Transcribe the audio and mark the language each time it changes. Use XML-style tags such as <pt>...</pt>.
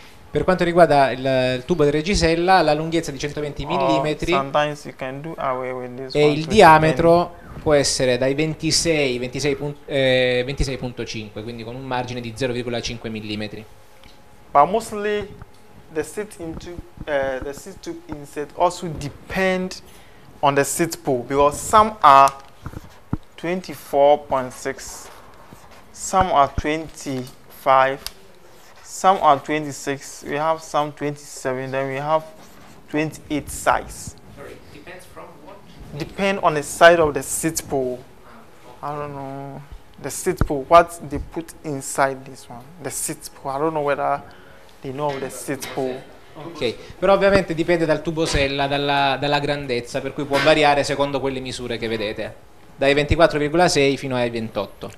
<it>Per quanto riguarda il tubo di reggisella, la lunghezza è di 120 mm.</it> <en>Sometimes you can do away with this.</en> <it>E il diametro può essere dai 26.5, quindi con un margine di 0,5 mm.</it> <en>But mostly the seat tube insert also depend on the seat pole, because some are 24.6, some are 25, some are 26, we have some 27, then we have 28 size. Sorry, depends from what? Depend on the size of the seat pole. I don't know. The seat pole, what they put inside this one. The seat pole, I don't know whether they know of the seat pole.</en> <it>Ok, però ovviamente dipende dal tubo sella, dalla grandezza, per cui può variare secondo quelle misure che vedete, dai 24,6 fino ai 28.</it>